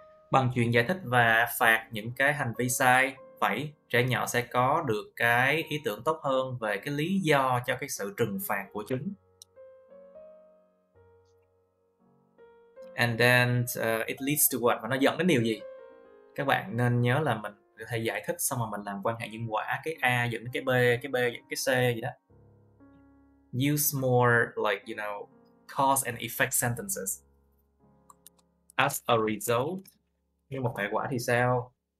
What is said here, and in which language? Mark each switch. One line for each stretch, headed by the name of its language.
Vietnamese: Bằng chuyện giải thích và phạt những cái hành vi sai, vậy trẻ nhỏ sẽ có được cái ý tưởng tốt hơn về cái lý do cho cái sự trừng phạt của chúng.
English: And then it leads to what?
Vietnamese: Và nó dẫn đến điều gì? Các bạn nên nhớ là mình thầy giải thích xong rồi mình làm quan hệ nhân quả, cái A dẫn đến cái B dẫn đến cái C gì đó.
English: Use more like, you know, cause and effect sentences. As a result,
Vietnamese: nhưng mà hệ quả thì sao?